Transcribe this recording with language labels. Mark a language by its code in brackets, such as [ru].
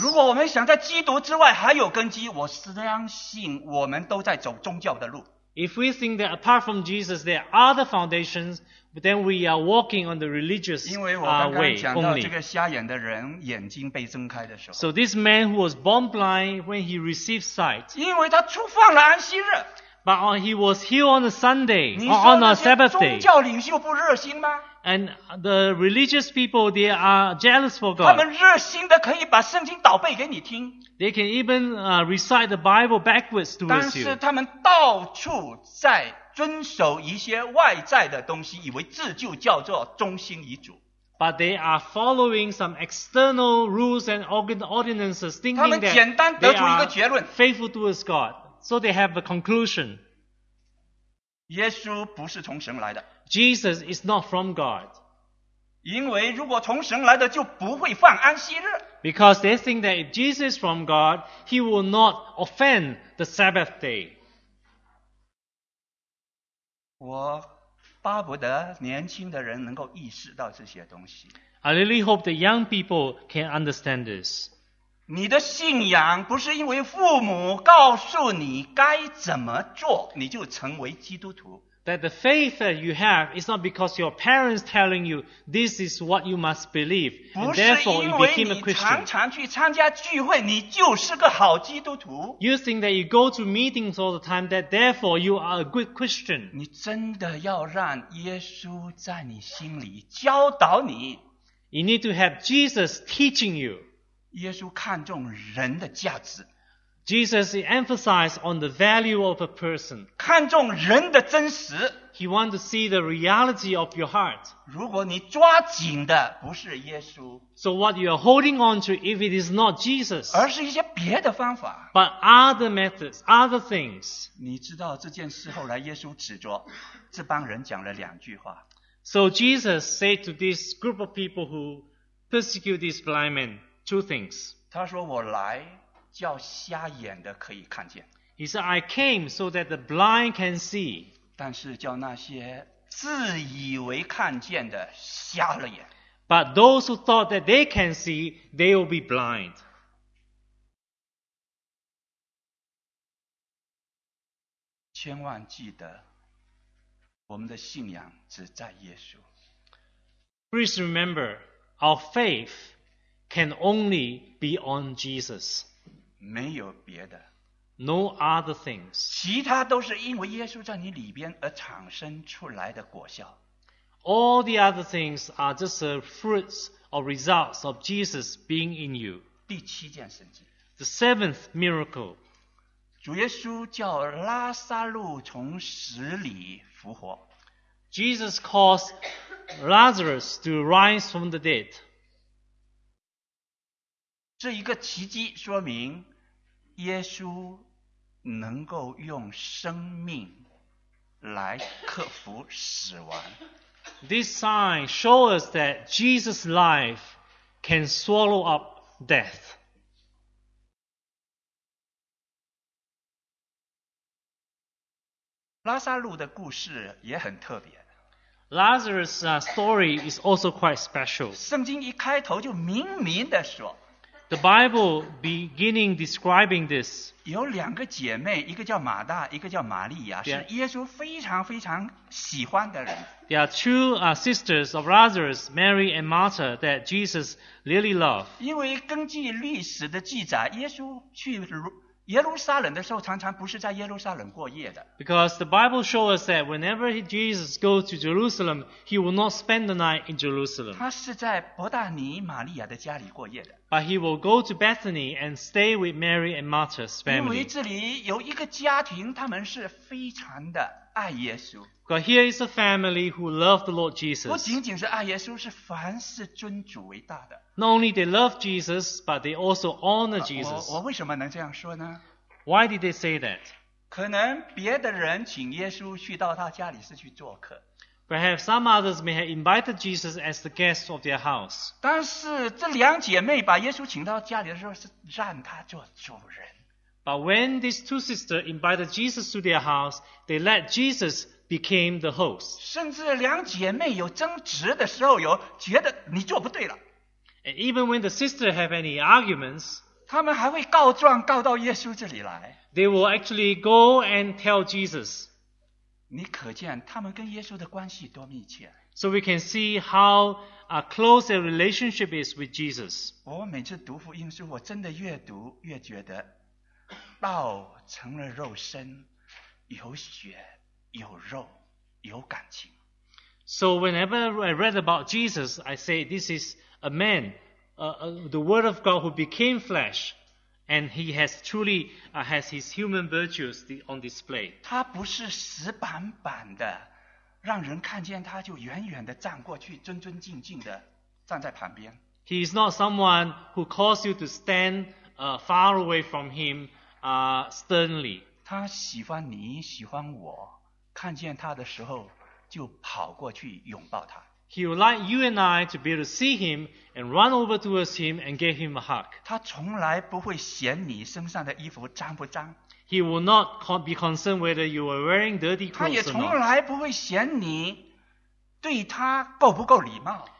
[zh] 如果我们想在基督之外还有根基，我相信我们都在走宗教的路。 [en] If we think that apart from Jesus, there are other foundations, but then we are walking on the religious way only. [zh] 这个瞎眼的人眼睛被睁开的时候。 [en] So this man who was born blind when he received sight. [zh] 因为他触犯了安息日。 [en] But he was healed on a Sunday, or on a Sabbath day. [zh] 宗教领袖不热心吗？ [en] And the religious people, they are jealous for God. [zh] 他们热心的可以把圣经倒背给你听。 [en] They can even recite the Bible backwards to you. [zh] 但是他们到处在遵守一些外在的东西，以为自救叫做忠心遗嘱。 [en] But they are following some external rules and ordinances, thinking that they are faithful towards God. So they have a conclusion. [zh] 耶稣不是从神来的。 [en] Jesus is not from God. [zh] 因为如果从神来的就不会犯安息日。 [en] Because they think that if Jesus is from God, he will not offend the Sabbath day. [zh] 我巴不得年轻的人能够意识到这些东西。 [en] I really hope that young people can understand this. [zh] 你的信仰不是因为父母告诉你该怎么做，你就成为基督徒。 [en] That the faith that you have is not because your parents telling you this is what you must believe, and therefore you became a Christian. [zh] 常常去参加聚会，你就是个好基督徒。 [en] You think that you go to meetings all the time, that therefore you are a good Christian. [zh] 你真的要让耶稣在你心里教导你。 [en] You need to have Jesus teaching you. [zh] 耶稣看重人的价值。 [en] Jesus emphasized on the value of a person. [zh] 看重人的真实。 [en] He wanted to see the reality of your heart. [zh] 如果你抓紧的不是耶稣。 [en] So what you are holding on to if it is not Jesus. [zh] 而是一些别的方法。 [en] But other methods, other things. [zh] 你知道这件事后来耶稣指着这帮人讲了两句话。 [en] So Jesus said to this group of people who persecute this blind man, two things. [zh] 他说我来叫瞎眼的可以看见。 [en] He said, I came so that the blind can see. [zh] 但是叫那些自以为看见的瞎了眼。 [en] But those who thought that they can see, they will be blind. [zh] 千万记得我们的信仰只在耶稣。 [en] Please remember, our faith can only be on Jesus. [zh] 没有别的 [en] ，no other things， [zh] 其他都是因为耶稣在你里边而产生出来的果效。 [en] All the other things are just the fruits or results of Jesus being in you。 [zh] 第七件神迹 [en] ，the seventh miracle， [zh] 主耶稣叫拉撒路从死里复活。 [en] Jesus caused Lazarus to rise from the dead。 [zh] 这一个奇迹说明耶稣能够用生命来克服死亡。 [en] This sign shows us that Jesus' life can swallow up death. [zh] 拉撒路的故事也很特别。 [en] Lazarus' story is also quite special. [zh] 圣经一开头就明明地说 [en] The Bible beginning describing this. [zh] 有两个姐妹，一个叫马大，一个叫玛利亚，是耶稣非常非常喜欢的人。 [en] There are two sisters of Lazarus, Mary and Martha, that Jesus really loved. [zh] 因为根据历史的记载，耶稣去耶路撒冷的时候，常常不是在耶路撒冷过夜的。 [en] Because the Bible shows us that whenever Jesus goes to Jerusalem, he will not spend the night in Jerusalem. [zh] 他是在伯大尼玛利亚的家里过夜的。 [en] But he will go to Bethany and stay with Mary and Martha's family. [zh] 因为这里有一个家庭，他们是非常的爱耶稣。 [en] But here is a family who love the Lord Jesus. [zh] 不仅仅是爱耶稣，是凡事尊主为大的。 [en] Not only they love Jesus, but they also honor Jesus. [zh] 我为什么能这样说呢？ [en] Why did they say that? [zh] 可能别的人请耶稣去到他家里是去做客。 [en] Perhaps some others may have invited Jesus as the guest of their house. [zh] 但是这两姐妹把耶稣请到家里的时候是让他做主人。 [en] But when these two sisters invited Jesus to their house, they let Jesus became the host. [zh] 甚至两姐妹有争执的时候，有觉得你做不对了。 [en] And even when the sisters have any arguments, [zh] 他们还会告状告到耶稣这里来。 [en] They will actually go and tell Jesus. [zh] 你可见他们跟耶稣的关系多密切。 [en] So we can see how close their relationship is with Jesus. [zh] 我每次读福音书，我真的越读越觉得，道成了肉身，有血有肉有感情。 [en] So whenever I read about Jesus, I say this is a man, the Word of God who became flesh, and he has truly has his human virtues on display. [zh] 他不是死板板的，让人看见他就远远的站过去，尊尊敬敬的站在旁边。 [en] He is not someone who calls you to stand far away from him sternly. [zh] 他喜欢你，喜欢我，看见他的时候就跑过去拥抱他。 [en] He would like you and I to be able to see him and run over towards him and give him a hug. [zh] 他从来不会嫌你身上的衣服脏不脏。 [en] He will not be concerned whether you are wearing dirty clothes or not. [zh] 他也从来不会嫌你对他够不够礼貌。